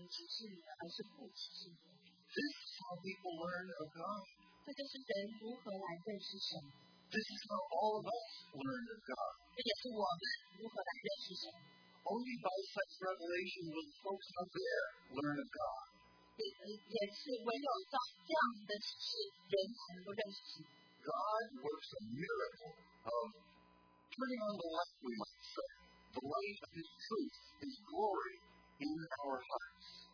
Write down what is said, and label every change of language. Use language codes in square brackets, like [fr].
[zh] 主耶稣说，这不是属血肉之体所能指示你的，而是父指示你的。 [en] This is how people learn of God. [zh] 这就是人如何来认识神。 [en] This is how all of us learn of God. [zh] 这也是我们如何来认识神。 [en] Only by such revelation will folks up there learn of God. [zh] 也是唯有照这样的启示，人才能够认识神。 [en] God works a miracle of turning on the light, we might say, the light of His truth, His glory in our hearts.